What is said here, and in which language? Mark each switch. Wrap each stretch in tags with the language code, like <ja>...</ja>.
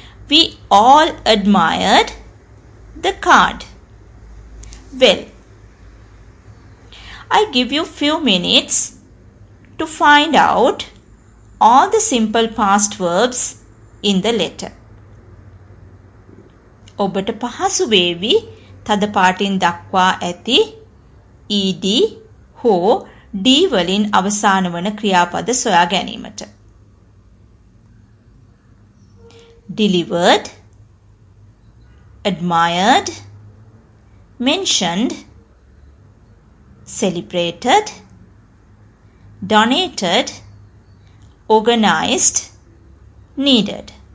<en>We all admired the card. Well, I give you few minutes to find out all the simple past verbs in the letter.</en> <si>ඔබට පහසු වේවි තද පාටින් දක්වා ඇති ed හෝ d වලින් අවසාන වන ක්‍රියාපද සොයා ගැනීමට.</si> <en>Delivered, admired, mentioned, celebrated, donated, organized, needed.</en>